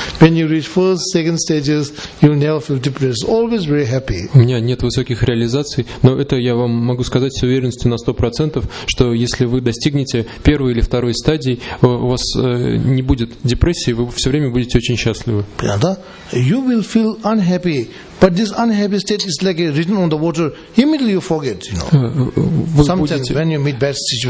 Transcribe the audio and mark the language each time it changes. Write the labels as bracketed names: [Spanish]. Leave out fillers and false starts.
[English] When you reach first, second stages, you'll never feel depressed. Always very happy. [Russian] У меня нет высоких реализаций, но это я вам могу сказать с уверенностью на 100%, что если вы достигнете первой или второй стадии, у вас не будет депрессии, вы все время будете очень счастливы. Да? [English] You will feel unhappy. But this unhappy state is like written on the water. Immediately you forget, you know. Sometimes when you meet bad situations.